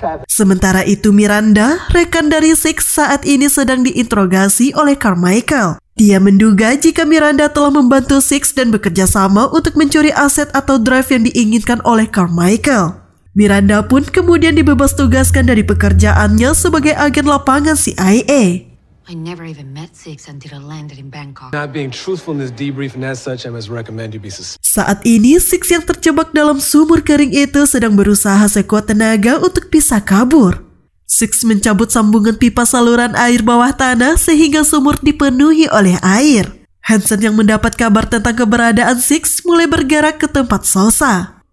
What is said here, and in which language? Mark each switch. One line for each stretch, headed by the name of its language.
Indonesian: Sementara itu Miranda, rekan dari Six saat ini sedang diinterogasi oleh Carmichael. Dia menduga jika Miranda telah membantu Six dan bekerja sama untuk mencuri aset atau drive yang diinginkan oleh Carmichael. Miranda pun kemudian dibebas tugaskan dari pekerjaannya sebagai agen lapangan CIA.
English: I never even met Six until I landed in Bangkok. Not being truthful in this debrief and as such, I must recommend you be suspended.
Indonesian: Saat ini, Six yang terjebak dalam sumur kering itu sedang berusaha sekuat tenaga untuk bisa kabur. Six mencabut sambungan pipa saluran air bawah tanah sehingga sumur dipenuhi oleh air. Hansen yang mendapat kabar tentang keberadaan Six mulai bergerak ke tempat Sosa.